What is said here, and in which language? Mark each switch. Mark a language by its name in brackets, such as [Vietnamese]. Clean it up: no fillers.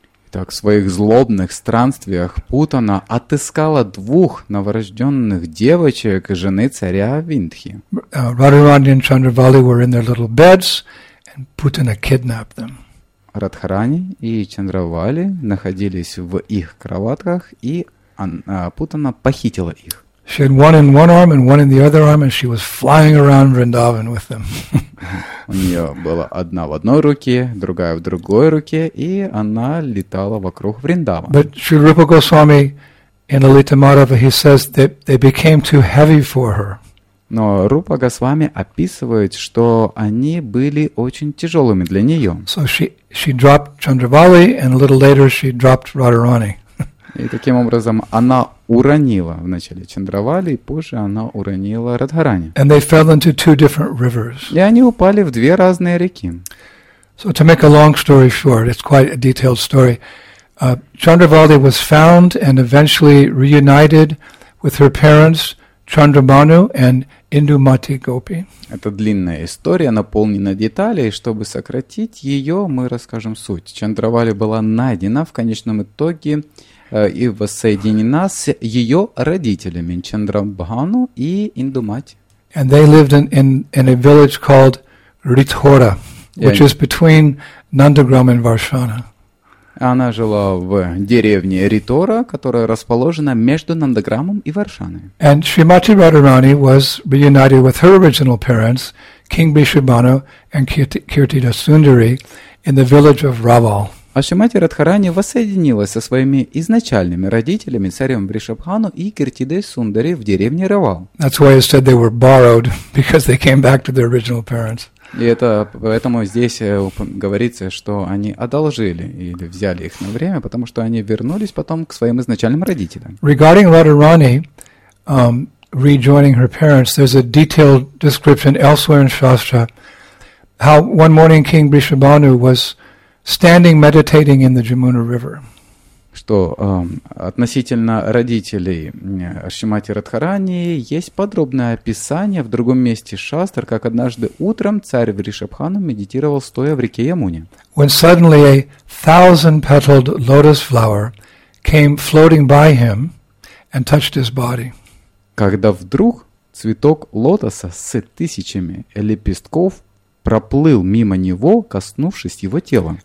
[Russian] Так, в своих злобных странствиях Путана отыскала двух новорожденных девочек жены царя Виндхи. [English] Радхарани and Чандравали were in their little beds, and Putana kidnapped them. [Russian] Радхарани и Чандравали находились в их кроватках, и Путана похитила их. [English] She had one in one arm and one in the other arm, and she was flying around Vrindavan with them. [Russian] У нее была одна в одной руке, другая в другой руке, и она летала вокруг Вриндавана. [English] But Sri Rupa Goswami in Lalita Madhava, he says that they became too heavy for her. [Russian] Но Рупа Госвами описывает, что они были очень тяжелыми для нее. [English] So she dropped Chandravali, and a little later she dropped Radharani. [Russian] И таким образом она уронила вначале Чандравали, и позже она уронила Радхарани. [English] And they fell into two different rivers. [Russian] И они упали в две разные реки. [English] So to make a long story short, it's quite a detailed story. Chandravali was found and eventually reunited with her parents, Chandramanu and Indumati Gopi. [Russian] Это длинная история, наполнена деталями. Чтобы сократить ее, мы расскажем суть. Чандравали была найдена в конечном итоге и воссоединена с ее родителями, Чандрабхану и Индумати. [English] And they lived in a village called Ритхора, which is between Nandagram and Varshana. [Russian] Она жила в деревне Ритора, которая расположена между Нандаграмом и Варшаной. [English] And Srimati Radharani was reunited with her original parents, King Bishvamanu and Kirtita Sundari, in the village of Raval. [Russian] А Шримати Радхарани воссоединилась со своими изначальными родителями, царем Вришабхану и Киртидой Сундари, в деревне Равал. [English] That's why I said they were borrowed, because they came back to their original parents. [Russian] И это поэтому здесь говорится, что они одолжили или взяли их на время, потому что они вернулись потом к своим изначальным родителям. [English] Regarding Radharani rejoining her parents, there's a detailed description elsewhere in Shastra how one morning King Vrishabhanu was standing meditating in the Jamuna River. [Russian] Что относительно родителей Шримати Радхарани есть подробное описание в другом месте Шастр, как однажды утром царь Вришабхану медитировал стоя в реке Ямуне. [English] When suddenly a thousand-petaled lotus flower came floating by him and touched his body. [Russian] Когда вдруг цветок лотоса с тысячами лепестков проплыл мимо него, коснувшись его тела.